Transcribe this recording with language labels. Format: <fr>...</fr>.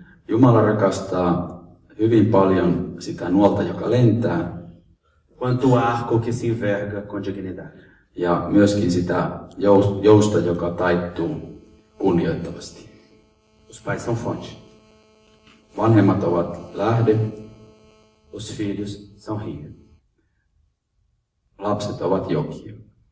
<fi>Jumala rakastaa hyvin paljon sitä nuolta, joka lentää.</fi> <pt>Quanto arco que se enverga com dignidade.</pt> <fi>Ja myöskin sitä jousta, joka taittuu kunnioittavasti.</fi> <pt>Os pais são fonte.</pt> <fi>Vanhemmat ovat lähde.</fi> <pt>Os filhos são rio.</pt> <fi>Lapset ovat joki.</fi>